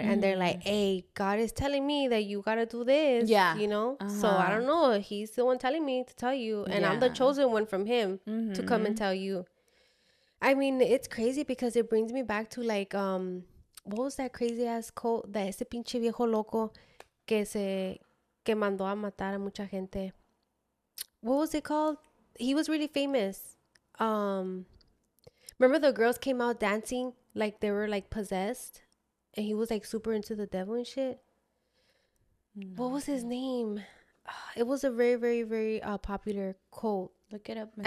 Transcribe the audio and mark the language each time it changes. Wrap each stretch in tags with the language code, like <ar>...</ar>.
<en>And they're like, hey, God is telling me that you got to do this. Yeah. You know? Uh-huh. So I don't know. He's the one telling me to tell you. And I'm the chosen one from him to come and tell you. I mean, it's crazy because it brings me back to like, what was that crazy ass cult? That</en> <es>ese pinche viejo loco que mandó a matar a mucha gente.</es> <en>What was it called? He was really famous. Remember the girls came out dancing like they were like possessed and he was like super into the devil and shit. No. What was his name? It was a very, very, very popular cult. Look it up. Mr.</en>